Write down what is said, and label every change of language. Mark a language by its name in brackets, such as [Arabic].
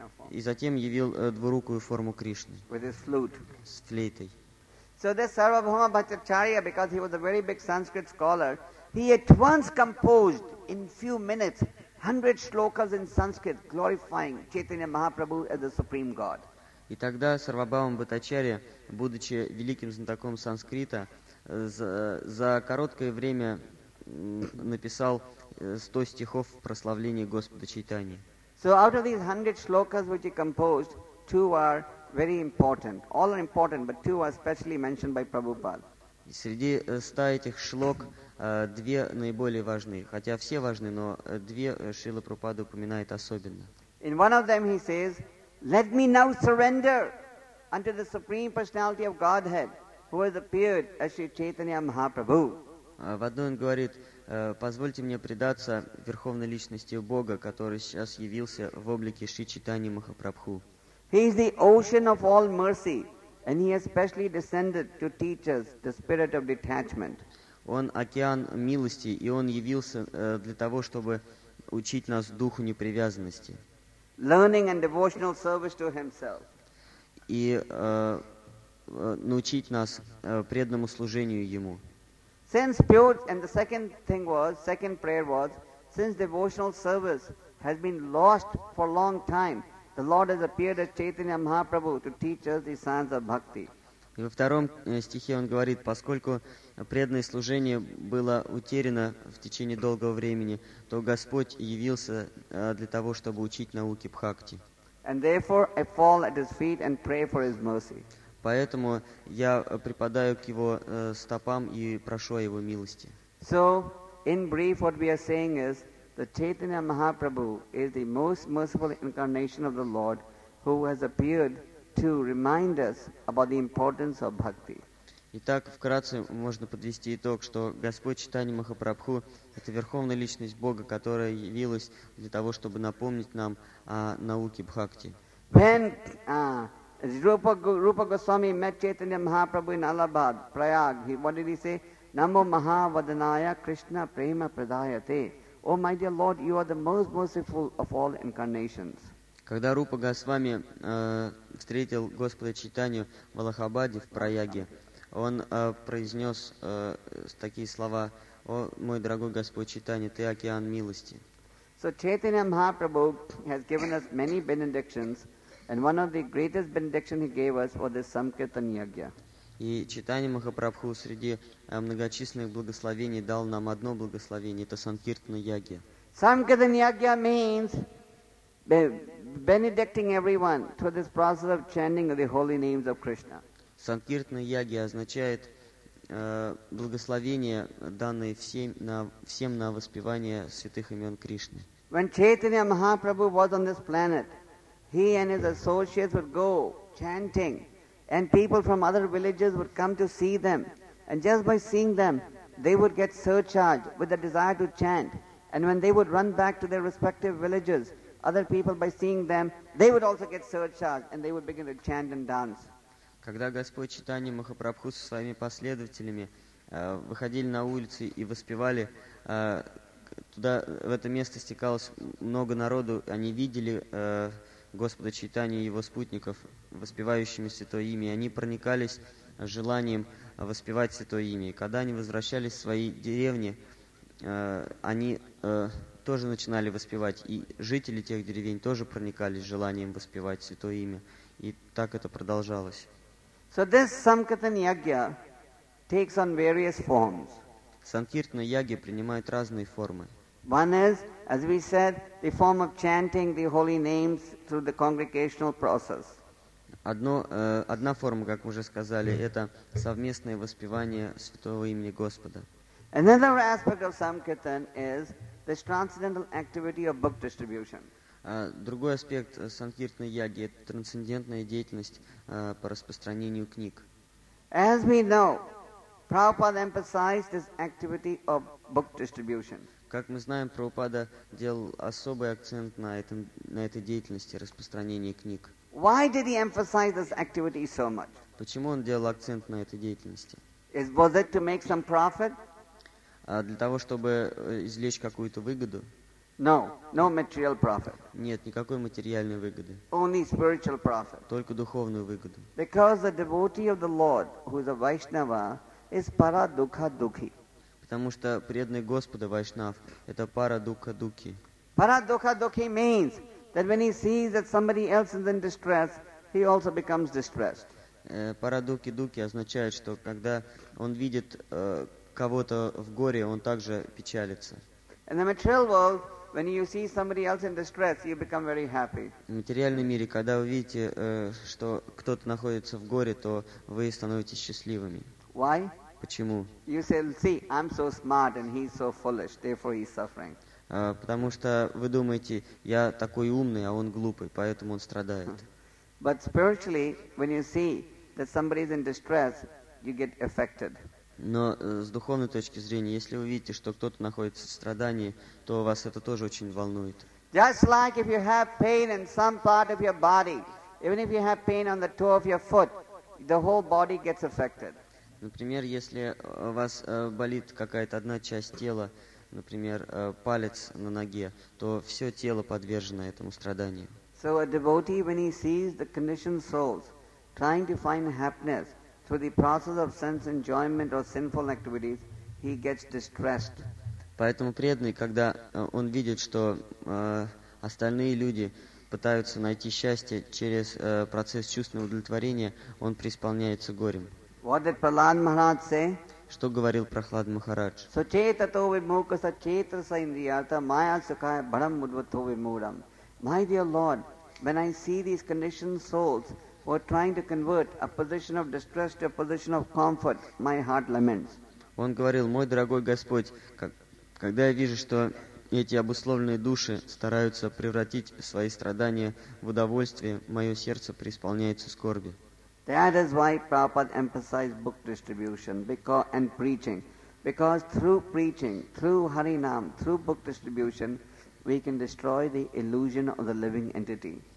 [Russian] И затем явил двурукую форму Кришны. [English] With his flute. [Russian] С флейтой. [English] So this Sarvabhauma Bhattacharya, because he was a very big Sanskrit scholar, he at once composed in few minutes 100 shlokas in Sanskrit glorifying Chaitanya Mahaprabhu as the Supreme God. [Russian] И тогда Сарвабхаума Бхаттачарья, будучи великим знатоком санскрита, за короткое время написал 100 стихов прославления Господа Чайтаньи. [English] So out of these 100 shlokas which he composed, two are very important. All are important, but two are specially mentioned by Prabhupada. [Russian] Среди 100 этих шлок две наиболее важные. Хотя все важны, но две Шрила Прабхупада упоминает особенно. [English] In one of them he says, "Let me now surrender unto the Supreme Personality of Godhead, who has appeared as Sri Chaitanya Mahaprabhu." [Russian] В одной он говорит, позвольте мне предаться Верховной Личности Бога, который сейчас явился в облике Шри Чайтаньи Махапрабху. [English] He is the ocean of all mercy, and he has specially descended to teach us the spirit of detachment. [Russian] Он океан милости, и он явился для того, чтобы учить нас духу непривязанности. [English] Learning and devotional service to himself. [Russian] И научить нас преданному служению ему. [English] Since pure, and the second thing was, second prayer was, since devotional service has been lost for a long time, the Lord has appeared as Chaitanya Mahaprabhu to teach us the science of bhakti. [Russian] И во втором стихе он говорит, поскольку преданное служение было утеряно в течение долгого времени, то Господь явился для того, чтобы учить науки бхакти. [English] And therefore I fall at his feet and pray for his mercy. [Russian] Поэтому я припадаю к его стопам и прошу о его милости. [English] So, in brief, what we are saying is that Chaitanya Mahaprabhu is the most merciful incarnation of the Lord who has appeared to remind us about the importance of bhakti. [Russian] Итак, вкратце можно подвести итог, что Господь Чайтанья Махапрабху – это Верховная Личность Бога, которая явилась для того, чтобы напомнить нам о науке бхакти. [English] When Rupa Goswami met Chaitanya Mahaprabhu in Allahabad, Prayag, what did he say? [Sanskrit] Namo Mahavadanaya Krishna Prema Pradayate. [English] Oh, my dear Lord, you are the most merciful of all incarnations. [Russian] Когда Рупа Госвами встретил Господа Чайтанью в Аллахабаде, в Праяге, он произнес такие слова, «О, мой дорогой Господь Чайтанья, ты океан милости». [English] So Chaitanya Mahaprabhu has given us many benedictions, and one of the greatest benedictions he gave us was the Samkirtan Yajna. [Russian] И Чайтанья Махапрабху среди многочисленных благословений дал нам одно благословение, это Санкиртана Яджна. [English] Samkirtan Yajna means benedicting everyone through this process of chanting the holy names of Krishna. [Russian] Санкиртана Яджна означает благословение, данное всем на воспевание святых имен Кришны. [English] When Chaitanya Mahaprabhu was on this planet, he and his associates would go chanting, and people from other villages would come to see them. And just by seeing them, they would get surcharged with the desire to chant. And when they would run back to their respective villages, other people by seeing them, they would also get surcharged, and they would begin to chant and dance. [Russian] Когда Господь Чайтанья Махапрабху со своими последователями выходили на улицы и воспевали, туда в это место стекалось много народу, они видели Господа Чайтанью и его спутников, воспевающими Святое Имя. Они проникались желанием воспевать Святое Имя. И когда они возвращались в свои деревни, они тоже начинали воспевать. И жители тех деревень тоже проникались желанием воспевать Святое Имя. И так это продолжалось. [English] So this Samkirtan Yajna takes on various forms. [Russian] Санкиртана Яджна принимает разные формы. [English] One is, as we said, the form of chanting the holy names through the congregational process. [Russian] Одна форма, как мы уже сказали, это совместное воспевание святого имени Господа. [English] Another aspect of Samkirtan is the transcendental activity of book distribution. [Russian] Другой аспект Санкиртаны Яджны – это трансцендентная деятельность по распространению книг. [English] As we know, Prabhupada emphasized this activity of book distribution. [Russian] Как мы знаем, Прабхупада делал особый акцент на этом, на этой деятельности распространения книг. [English] Why did he emphasize this activity so much? [Russian] Почему он делал акцент на этой деятельности? [English] Is, was it to make some profit? [Russian] Для того, чтобы извлечь какую-то выгоду? [English] No, no material profit. [Russian] Нет, никакой материальной выгоды. [English] Only spiritual profit. [Russian] Только духовную выгоду. [English] Because the devotee of the Lord, who is a Vaishnava, is para dukha dukhi. [Russian] Потому что преданный Господа Вайшнав – это пара дукха дукхи. [English] Пара дукха дукхи means that when he sees that somebody else is in distress, he also becomes distressed. [Russian] Пара дукхи дукхи означает, что когда он видит кого-то в горе, он также печалится. [English] In the material world, when you see somebody else in distress, you become very happy. [Russian] В материальном мире, когда вы видите, что кто-то находится в горе, то вы становитесь счастливыми. [English] Why? [Russian] Почему? [English] You say, see, I'm so smart and he's so foolish, therefore he's suffering. [Russian] Потому что вы думаете, я такой умный, а он глупый, поэтому он страдает. [English] But spiritually, when you see that somebody is in distress, you get affected. [Russian] Но с духовной точки зрения, если вы видите, что кто-то находится в страдании, то вас это тоже очень волнует. [English] Just like if you have pain in some part of your body, even if you have pain on the toe of your foot, the whole body gets affected. [Russian] Например, если у вас болит какая-то одна часть тела, например, палец на ноге, то все тело подвержено этому страданию. [English] So a devotee, when he sees the conditioned souls trying to find happiness through the process of sense enjoyment or sinful activities, he gets distressed. [Russian] Поэтому преданный, когда он видит, что остальные люди пытаются найти счастье через процесс чувственного удовлетворения, он преисполняется горем. [English] What did Prahlad Maharaj say? [Russian] Что говорил Прахлад Махарадж? [Sanskrit] So cheta to vimukasa cheta sa indriyata maya sukaya bharam mudvato vimuram. [English] My dear Lord, when I see these conditioned souls who are trying to convert a position of distress to a position of comfort, my heart laments. [Russian] Он говорил, мой дорогой Господь, когда я вижу, что эти обусловленные души стараются превратить свои страдания в удовольствие, мое сердце преисполняется скорби. [English] That is why Prabhupada emphasized book distribution and preaching. Because through preaching, through Harinam, through book distribution, we can destroy the illusion of the living entity.